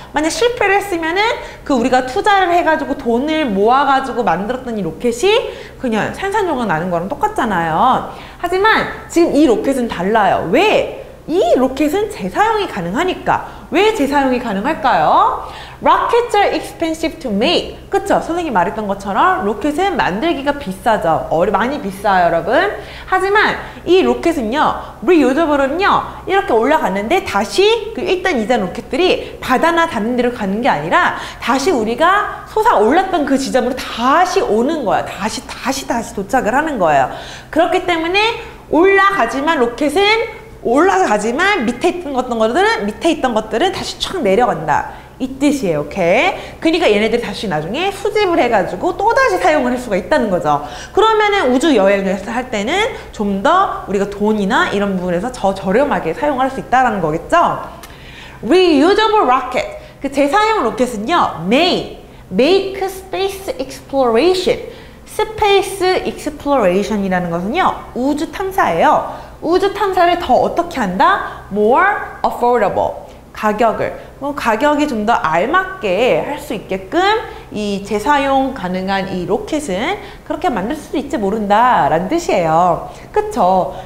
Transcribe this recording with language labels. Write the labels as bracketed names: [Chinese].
[Korean] 만약 실패를 했으면은 그 우리가 투자를 해가지고 돈을 모아가지고 만들었던 이 로켓이 그냥 산산조각 나는 거랑 똑같잖아요. 하지만 지금 이 로켓은 달라요. 왜? 이 로켓은 재사용이 가능하니까. 왜 재사용이 가능할까요? [English] Rockets are expensive to make. [Korean] 그쵸? 선생님이 말했던 것처럼 로켓은 만들기가 비싸죠. 많이 비싸요 여러분. 하지만 이 로켓은요, reusable은요, 이렇게 올라갔는데 다시 그 1단, 2단 로켓들이 바다나 다른 데로 가는 게 아니라 다시 우리가 솟아올랐던 그 지점으로 다시 오는 거야. 다시 도착을 하는 거예요. 그렇기 때문에 올라가지만 로켓은 올라가지만 밑에 있던 것들은 다시 촥 내려간다 이 뜻이에요. 오케이? 그러니까 얘네들이 다시 나중에 수집을 해가지고 또다시 사용을 할 수가 있다는 거죠. 그러면은 우주여행을 할 때는 좀 더 우리가 돈이나 이런 부분에서 저렴하게 사용할 수 있다는 거겠죠. [English] Reusable rocket, [Korean] 그 재사용 로켓은요, [English] make space exploration. [Korean] Space exploration 이라는 것은요, 우주 탐사예요. 우주 탐사를 더 어떻게 한다? [English] More affordable. [Korean] 가격이 좀 더 알맞게 할 수 있게끔 이 재사용 가능한 이 로켓은 그렇게 만들 수도 있지 모른다 라는 뜻이에요. 그쵸?